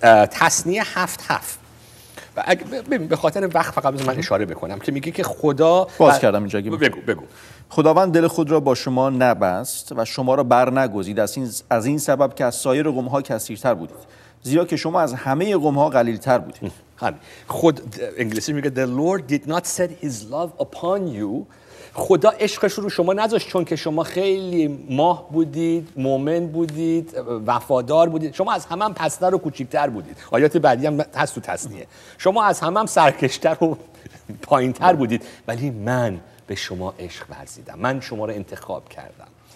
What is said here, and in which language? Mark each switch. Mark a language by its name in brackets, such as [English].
[Persian] تثنیه 7:7 و ببین به خاطر وقت فقط من اشاره بکنم که میگه که خدا باز کردم اینجا بگو خداوند دل خود را با شما نبست و شما را بر نگذید از این سبب که از سایر قوم‌ها کثیرتر بودید، زیرا که شما از همه قوم‌ها قلیل‌تر بودید. خود انگلیسی میگه [English] The Lord did not set his love upon you [Persian] خدا عشقش رو شما نذاشت، چون که شما خیلی ماه بودید، مؤمن بودید، وفادار بودید، شما از همه هم پستر و کوچیکتر بودید. آیات بعدی هم هست تو تثنیه، شما از همه هم سرکشتر و پایینتر بودید، ولی من به شما عشق ورزیدم، من شما رو انتخاب کردم.